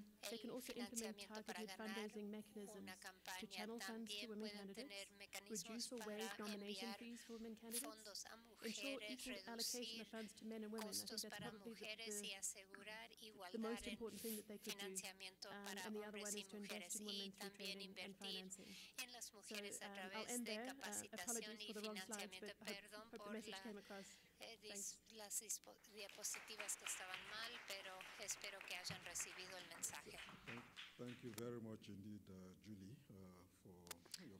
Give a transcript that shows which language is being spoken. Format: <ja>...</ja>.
<en>They can also implement targeted fundraising mechanisms to channel funds to women candidates, reduce or waive nomination fees for women candidates, ensure equal allocation of funds to men and women. I think that's probably the most important thing that they could do. And the other one is to invest in women's training and financing. So I'll end there. Apologies for the wrong slides, but I hope the message came across.</en> <es>Las diapositivas que estaban mal, pero espero que hayan recibido el mensaje.</es> <en>Thank you very much indeed, Julie, for your</en>